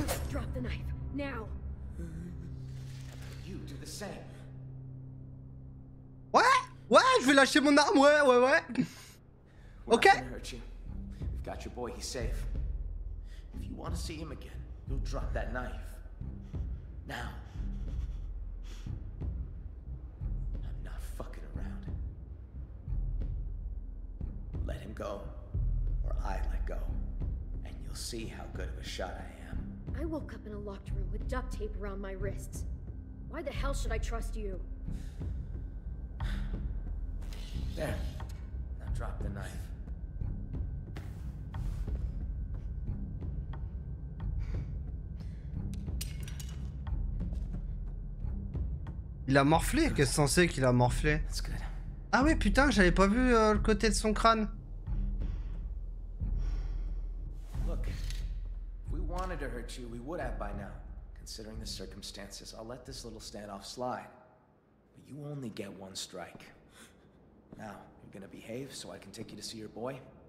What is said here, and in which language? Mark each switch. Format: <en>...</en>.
<en>Drop the knife, now! You do the same.</en> <fr>Ouais! Ouais, je vais lâcher mon arme, ouais, ouais, ouais!</fr> <en>Ok! We've got your boy, he's safe. If you want to see him again, you'll drop that knife. Now. I'm not fucking around. Let him go, or I let go, and you'll see how good of a shot I am. I woke up in a locked room with duct tape around my wrists. Why the hell should I trust you? There. Now drop the knife.</en> <fr>Il a morflé, qu'est-ce que c'est qu'il a morflé? Ah oui, putain, j'avais pas vu le côté de son crâne.</fr> <en>Look, if we wanted to hurt you, we would have by now. Considering the circumstances, I'll let this little standoff slide. But you only get one strike. Now, you're gonna behave so I can take you to see your boy.</en>